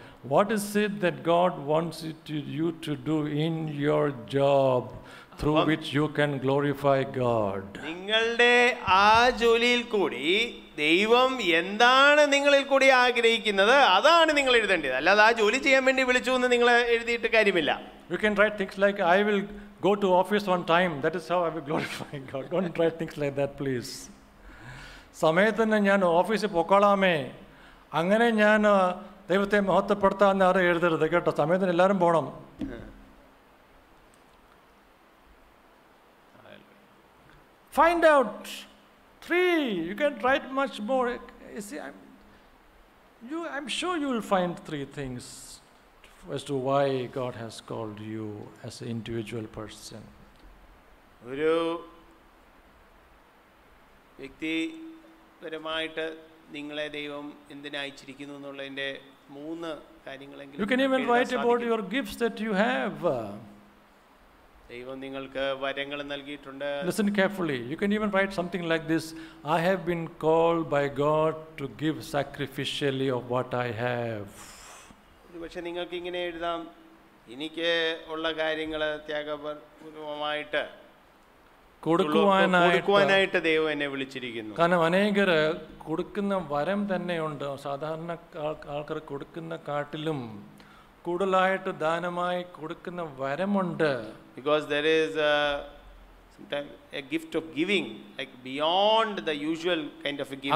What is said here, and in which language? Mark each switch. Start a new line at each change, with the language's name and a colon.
English: What is it that God wants you to do in your job through which you can glorify God?
Malayalam: നിങ്ങളുടെ ആ ജോലിയിൽ കൂടി ദൈവം എന്താണ് നിങ്ങളിൽ കൂടി ആഗ്രഹിക്കുന്നത് അതാണ് നിങ്ങൾ എഴുതേണ്ടത് അല്ലാതെ ആ ജോലി ചെയ്യാൻ വേണ്ടി വിളിച്ചു എന്ന് നിങ്ങൾ എഴുതിയിട്ട് കാര്യമില്ല.
English: You can write things like I will go to office on time, that is how I will glorify God. Don't write things like that, please.
Malayalam: സമയത്തന്നെ ഞാൻ ഓഫീസിൽ പോകാമേ അങ്ങനെ ഞാൻ ദൈവത്തെ മഹത്വപ്പെടുത്താന്ന് ആരും എഴുതരുത് കേട്ടോ. സമയത്തിന് എല്ലാവരും പോകണം.
English: Find out three. You can write much more. You see, I'm sure you will find three things as to why God has called you as an individual person.
Malayalam: ഒരു വ്യക്തിപരമായിട്ട് നിങ്ങളെ ദൈവം എന്തിനയച്ചിരിക്കുന്നു എന്നുള്ളതിന്റെ മൂന്ന് കാര്യങ്ങളെങ്കിലും.
English: You can even write about your gifts that you have.
Malayalam: ദൈവം നിങ്ങൾക്ക് വരങ്ങൾ നൽകിയിട്ടുണ്ട്.
English: Listen carefully. You can even write something like this: I have been called by God to give sacrificially of what I have.
Malayalam: ഒരുപക്ഷെ നിങ്ങൾക്ക് ഇങ്ങനെ എഴുതാം, എനിക്ക് ഉള്ള കാര്യങ്ങൾ ത്യാഗപൂർവമായിട്ട് കൊടുക്കുവാനായിട്ട് ദൈവം എന്നെ വിളിച്ചിരിക്കുന്നു. കാരണം അനേകർ കൊടുക്കുന്ന വരം തന്നെയുണ്ട്. സാധാരണ ആൾക്കാർ കൊടുക്കുന്ന കാട്ടിലും കൂടുതലായിട്ട് ദാനമായി കൊടുക്കുന്ന വരമുണ്ട്.
English: Because there is sometimes a gift of giving, like beyond the usual kind of a giving.